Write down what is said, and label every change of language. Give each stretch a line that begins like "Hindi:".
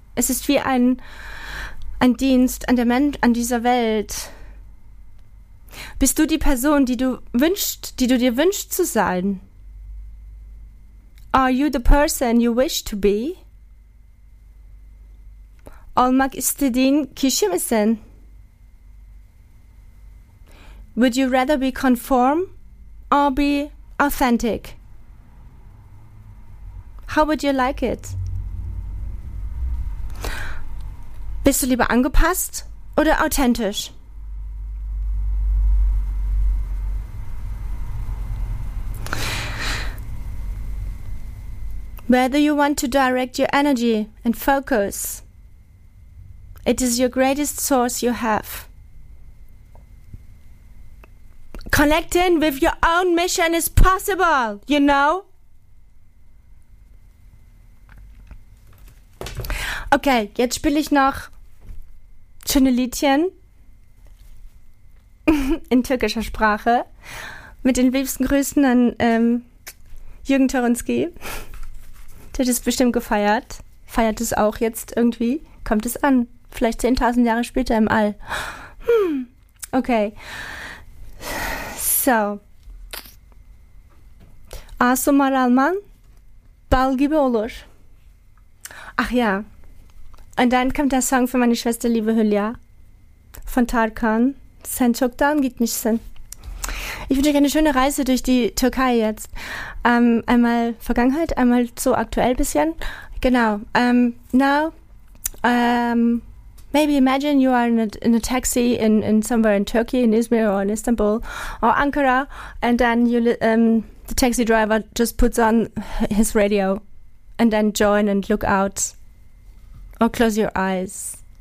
German: Es ist wie ein Dienst an der Mensch, an dieser Welt. Bist du die Person, die du dir wünschst zu sein?
English: Are you the person you wish to be?
Turkish: Olmak istediğin kişi misin?
English: Would you rather be conform or be authentic? How would you like it?
German: Bist du lieber angepasst oder authentisch?
English: Whether you want to direct your energy and focus, it is your greatest source you have. Connecting with your own mission is possible, you know?
German: Okay, jetzt spiele ich noch schöne Liedchen in türkischer Sprache mit den liebsten Grüßen an Jürgen Toronski. Der hat es bestimmt gefeiert. Feiert es auch jetzt irgendwie? Kommt es an? Vielleicht 10.000 Jahre später im All. Okay. So.
Turkish: Asumar Alman, Bal gibi olur.
German: Ach ja. Und dann kommt der Song für meine Schwester, liebe Hülya. Von Tarkan.
Turkish: Sen çoktan gitmişsin.
German: Ich wünsche euch eine schöne Reise durch die Türkei jetzt. Einmal Vergangenheit, einmal so aktuell ein bisschen. Genau. Now,
English: Maybe imagine you are in a taxi in somewhere in Turkey, in Izmir or in Istanbul or Ankara, and then you the taxi driver just puts on his radio and then join and look out or close your eyes.